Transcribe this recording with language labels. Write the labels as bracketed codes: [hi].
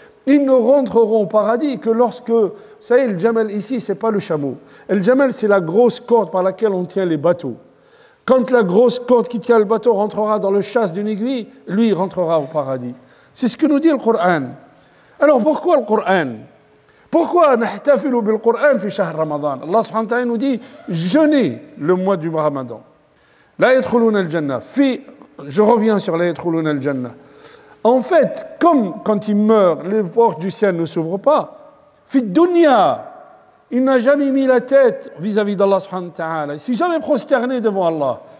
[fr] Ils ne rentreront au paradis que lorsque... Vous savez, le Jamal ici, ce n'est pas le chameau. Le Jamal, c'est la grosse corde par laquelle on tient les bateaux. Quand la grosse corde qui tient le bateau rentrera dans le châsse d'une aiguille, lui rentrera au paradis. C'est ce que nous dit le Coran. Alors pourquoi le Coran ? Pourquoi [ar] نحتفل بالقرآن في شهر رمضان? [fr] Allah subhanahu wa ta'ala nous dit jeûnez le mois du Ramadan. [ar] لا يدخلون الجنة. [fr] Je reviens sur [ar] لا يدخلون الجنة. [fr] En fait, comme quand il meurt, les portes du ciel ne s'ouvrent pas. [ar] في الدنيا, [fr] il n'a jamais mis la tête vis-à-vis d'Allah subhanahu wa ta'ala. Il s'est jamais prosterné devant Allah.